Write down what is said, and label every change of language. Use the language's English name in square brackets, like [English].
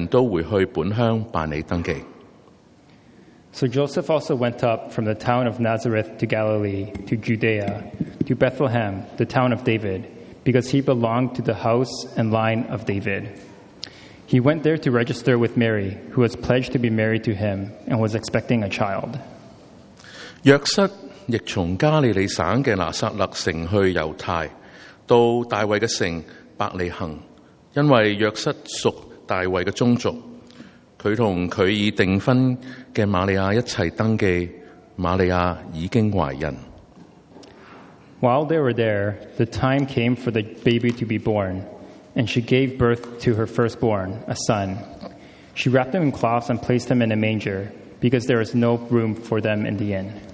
[Cantonese] 那时罗马皇帝阿古士督颁布命令，要罗马帝国嘅人民办理户口登记。此首次嘅户口登记系喺居里纽做叙利亚总督时举行，众人都回去本乡办理登记。 [English] So Joseph also went up from the town of Nazareth to Galilee, to Judea, to Bethlehem, the town of David, because he belonged to the house and line of David. He went there to register with Mary, who was pledged to be married to him and was expecting a child. [Cantonese] 约瑟亦从加利利省嘅拿撒勒城去犹太，到大卫嘅城伯利恒，因为约瑟属大卫嘅宗族，佢同佢已订婚嘅玛利亚一齐登记，玛利亚已经怀孕。 [English] While they were there, the time came for the baby to be born. And she gave birth to her firstborn, a son. She wrapped him in cloths and placed him in a manger, because there was no room for them in the inn.